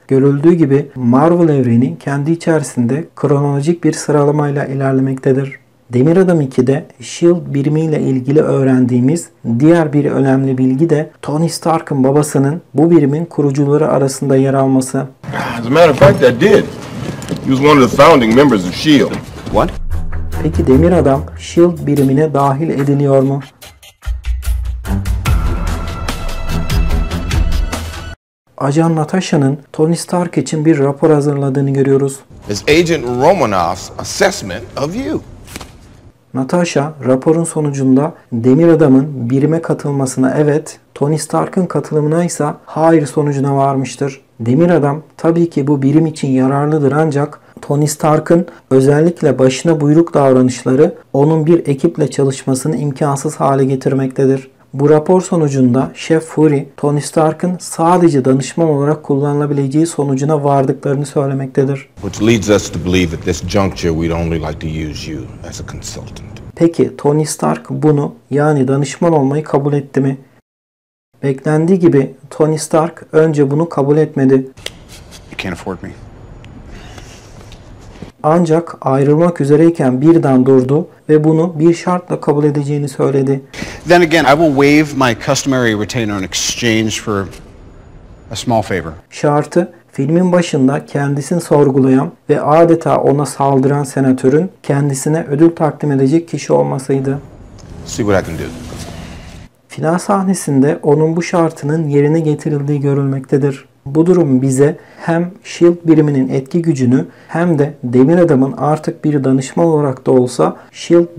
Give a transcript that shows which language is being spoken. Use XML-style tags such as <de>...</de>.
<tr>Görüldüğü gibi Marvel evreni kendi içerisinde kronolojik bir sıralamayla ilerlemektedir. Demir Adam 2'de S.H.I.E.L.D. birimiyle ilgili öğrendiğimiz diğer bir önemli bilgi de Tony Stark'ın babasının bu birimin kurucuları arasında yer alması.</tr> <en>As a matter of fact, I did. He was one of the founding members of S.H.I.E.L.D. What?</en> <tr>Peki Demir Adam S.H.I.E.L.D. birimine dahil ediliyor mu? Ajan Natasha'nın Tony Stark için bir rapor hazırladığını görüyoruz.</tr> <en>As Agent Romanoff's assessment of you.</en> <tr>Natasha raporun sonucunda Demir Adam'ın birime katılmasına evet, Tony Stark'ın katılımına ise hayır sonucuna varmıştır. Demir Adam tabii ki bu birim için yararlıdır ancak Tony Stark'ın özellikle başına buyruk davranışları onun bir ekiple çalışmasını imkansız hale getirmektedir. Bu rapor sonucunda Şef Fury, Tony Stark'ın sadece danışman olarak kullanılabileceği sonucuna vardıklarını söylemektedir.</tr> <en>Which leads us to believe at this juncture we'd only like to use you as a consultant.</en> <tr>Peki Tony Stark bunu yani danışman olmayı kabul etti mi? Beklendiği gibi Tony Stark önce bunu kabul etmedi.</tr> <en>You can't afford me.</en> <tr>Ancak ayrılmak üzereyken birden durdu ve bunu bir şartla kabul edeceğini söyledi.</tr> <en>Then again, I will waive my customary retainer in exchange for a small favor.</en> <tr>Şartı, filmin başında kendisini sorgulayan ve adeta ona saldıran senatörün kendisine ödül takdim edecek kişi olmasıydı.</tr> <en>See what I can do.</en> <tr>Final sahnesinde onun bu şartının yerine getirildiği görülmektedir. Bu durum bize hem S.H.I.E.L.D. biriminin etki gücünü hem de Demir Adam'ın artık bir danışman olarak da olsa S.H.I.E.L.D.</tr>